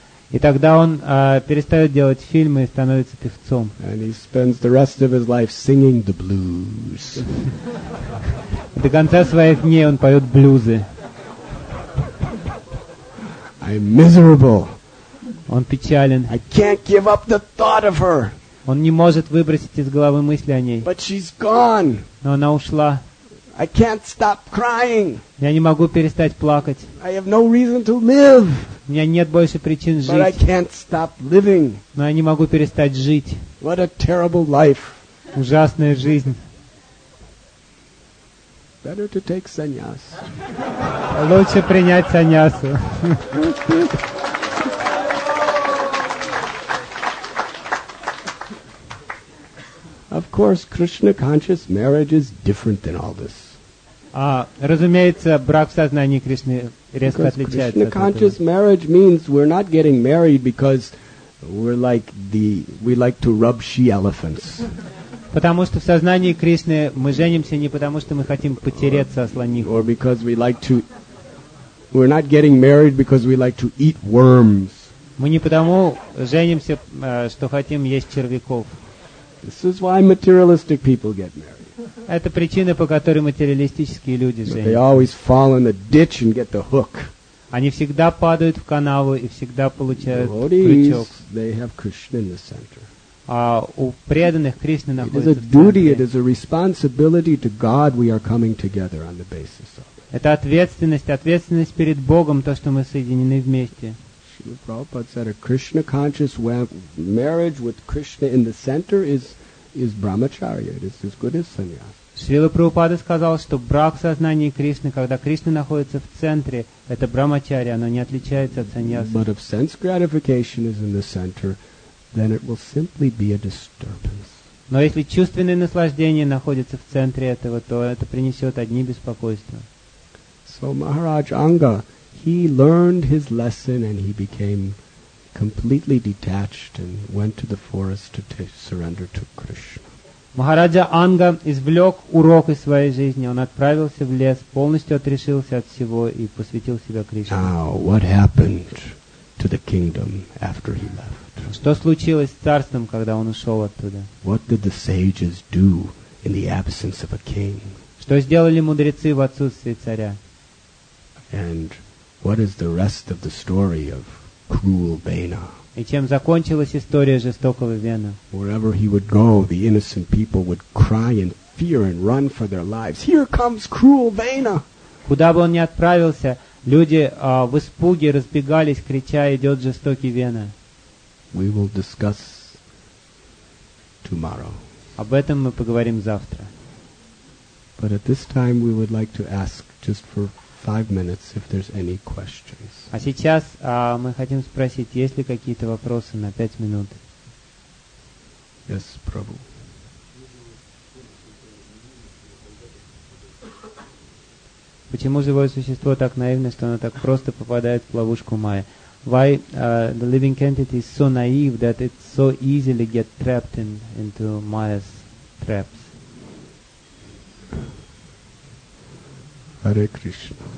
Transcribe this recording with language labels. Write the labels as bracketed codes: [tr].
[ru] И тогда он перестает делать фильмы и становится певцом. [en] And he spends the rest of his life singing the blues. [ru] До конца своих дней он поет блюзы. [en] I'm miserable. [ru] Он печален. [en] I can't give up the thought of her. [ru] Он не может выбросить из головы мысли о ней. [en] But she's gone. [ru] Но она ушла. [en] I can't stop crying. [ru] Я не могу перестать плакать. [en] I have no reason to live. [ru] У меня нет больше причин жить. [en] But I can't stop living. [ru] Но я не могу перестать жить. [en] What a terrible life. [ru] Ужасная жизнь. [en] Better to take sannyas. [ru] Лучше принять саньясу. [en] Of course, Krishna conscious marriage is different than all this. [ru] Разумеется, брак в сознании Кришны резко отличается от этого. [en] Krishna conscious marriage means we're not getting married because we're like the we like to rub she elephants. [ru] Потому что в сознании Кришны мы женимся не потому, что мы хотим потереться о слоних. [en] Or because we like to we're not getting married because we like to eat worms. [ru] Мы не потому женимся, что хотим есть червяков. [en] This is why materialistic people get married. [ru] Это причина, по которой материалистические люди женятся. [en] They always fall in the ditch and get the hook. [ru] Они всегда падают в канаву и всегда получают крючок. [en] They have Krishna in the center. [ru] А у преданных Кришна находится. [en] It is a duty, it is a responsibility to God. We are coming together on the basis of. [ru] Это ответственность, ответственность перед Богом, то, что мы соединены вместе. [en] Srila Prabhupada said a Krishna conscious marriage with Krishna in the center is brahmacharya, it is as good as sannyas. [ru] Srila Prabhupada сказал, что брак в сознании Кришны, когда Кришна находится в центре, это брахмачарья, оно не отличается от саньяса. [en] But if sense gratification is in the center, then it will simply be a disturbance. [ru] Но если чувственное наслаждение находится в центре этого, то это принесет одни беспокойства. [en] So Maharaj Anga, he learned his lesson and he became completely detached and went to the forest to surrender to Krishna. [ru] Maharaja Anga извлек урок из своей жизни. Он отправился в лес, полностью отрешился от всего и посвятил себя Кришне. [en] Now, what happened to the kingdom after he left? [ru] Что случилось с царством, когда он ушел оттуда? [en] What did the sages do in the absence of a king? [ru] Что сделали мудрецы в отсутствии царя? [en] And what is the rest of the story of cruel Vena? [ru] И чем закончилась история жестокого Вена? [en] Wherever he would go, the innocent people would cry in fear and run for their lives. Here comes cruel Vena! [ru] Куда бы он ни отправился, люди в испуге разбегались, крича: «Идет жестокий Вена!» [en] We will discuss tomorrow. [ru] Об этом мы поговорим завтра. [en] But at this time we would like to ask just for 5 minutes if there's any questions. [ru] А сейчас мы хотим спросить, есть ли какие-то вопросы на 5 минут. [en] Yes, Prabhu. [ru] Почему живое существо так наивно, что оно так просто попадает в ловушку майя? [en] Why the living entity is so naive that it so easily get trapped into Maya's traps? Hare Krishna.